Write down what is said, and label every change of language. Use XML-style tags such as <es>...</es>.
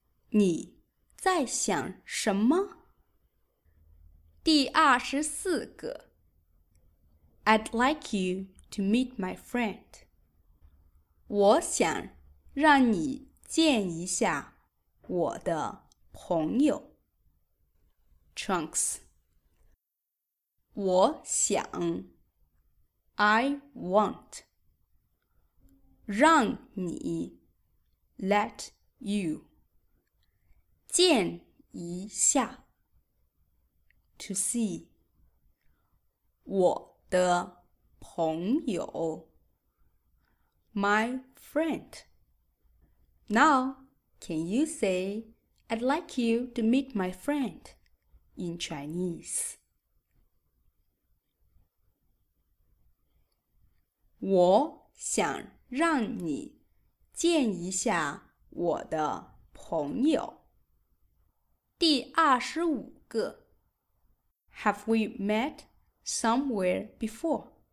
<zh>你在想什么？第二十四个。</zh> <en>I'd like you to meet my friend.</en> <zh>我想让你见一下我的朋友。</zh> <en>Trunks.</en> <zh>我想</zh> <en>I want</en> <zh>让你</zh> <en>Let you.</en> <zh>见一下</zh> <en>To see</en> <zh>我的朋友</zh> <en>My friend Now, can you say I'd like you to meet my friend in Chinese?</en> <zh>我想让你见一下我的朋友第二十五个</zh> <en>Have we met somewhere before?</en>